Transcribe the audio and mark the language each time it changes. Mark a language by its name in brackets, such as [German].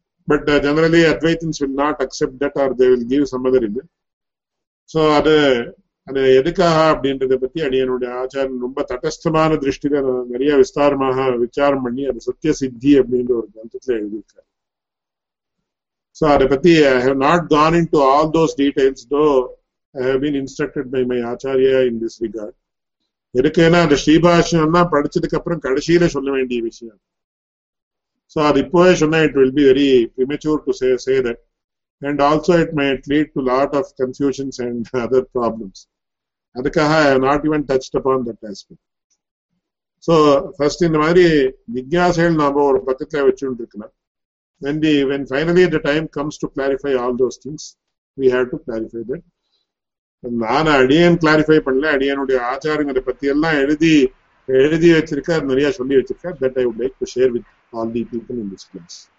[English] But generally Advaitins will not accept that or they will give சம்மதர் இது. [Tamil] So அது அது எதுக்காக அப்படின்றத பத்தி அடியனுடைய ஆச்சாரன் ரொம்ப தட்டஸ்தமான திருஷ்டியில நிறைய விஸ்தாரமாக விசாரம் பண்ணி அது சத்திய சித்தி அப்படின்ற ஒரு கிரந்தத்துல எழுதியிருக்காரு. [English] So, I have not gone into all those details, though I have been instructed by my Acharya in this regard. [Tamil] எதுக்கேனா அந்த ஸ்ரீபாஷ்யம் எல்லாம் படிச்சதுக்கு அப்புறம் கடைசியில சொல்ல வேண்டிய விஷயம். [English] So, [Tamil] அது இப்போவே சொன்னா [English] It will be very premature to say that. And also, it might lead to lot of confusions and other problems. [Tamil] அதுக்காக [English] I have not even touched upon that aspect. [Tamil] So, first, இந்த மாதிரி விஞ்ஞாசைகள் நாம ஒரு பக்கத்துல வச்சுட்டு இருக்கலாம். [English] When finally the time comes to clarify all those things, we have to clarify that. [Tamil] நான் அடியன் கிளாரிஃபை பண்ணல, அடியனுடைய ஆச்சாரங்களை பத்தி எல்லாம் எழுதி வச்சிருக்க நிறைய சொல்லி வச்சிருக்க. [English] That I would like to share with all the people in this class.